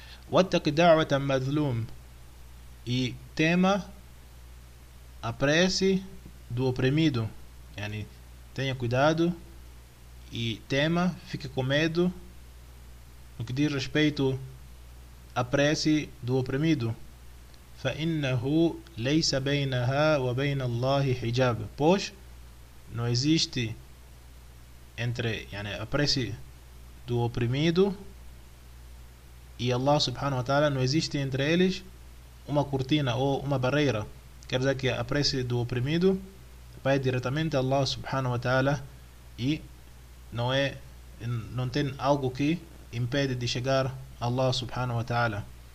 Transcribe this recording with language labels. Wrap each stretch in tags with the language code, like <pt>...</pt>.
<ar>واتق دعوة مظلوم</ar> <pt>e tema a prece do oprimido. Tenha cuidado e tema, fique com medo no que diz respeito à prece do oprimido.</pt> <ar>فإنه ليس بينها وبين الله حجاب.</ar> <pt>Pois não existe entre a prece do oprimido e Allah subhanahu wa ta'ala, não existe entre eles uma cortina ou uma barreira. Quer dizer que a prece do oprimido vai diretamente a Allah subhanahu wa ta'ala e não tem algo que impede de chegar a Allah subhanahu wa ta'ala.</pt>